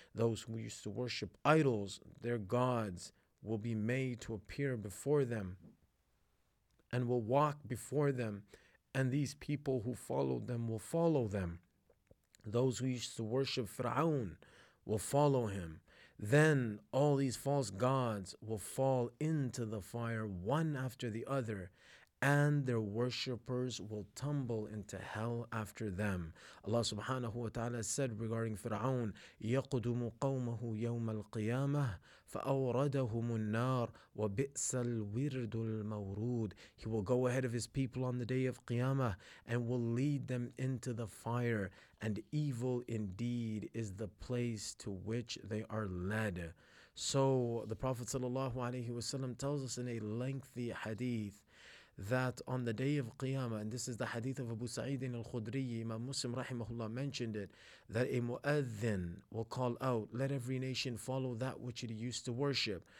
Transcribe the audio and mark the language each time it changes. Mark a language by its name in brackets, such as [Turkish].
[English] Those who used to worship idols, their gods will be made to appear before them and will walk before them, and these people who followed them will follow them. Those who used to worship Fir'aun will follow him. Then all these false gods will fall into the fire one after the other. and their worshippers will tumble into hell after them. Allah subhanahu wa ta'ala said regarding Fir'aun, [Arabic] يَقْدُمُ قَوْمَهُ يَوْمَ الْقِيَامَةِ فَأَوْرَدَهُمُ النَّارِ وَبِئْسَ الْوِرْدُ الْمَوْرُودِ. [English] He will go ahead of his people on the day of Qiyamah and will lead them into the fire, and evil indeed is the place to which they are led. So the Prophet sallallahu alayhi wasallam tells us in a lengthy hadith that on the day of Qiyamah, and this is the hadith of Abu Sa'id al-Khudri, Imam Muslim rahimahullah mentioned it, that a mu'adhin will call out, let every nation follow that which it used to worship.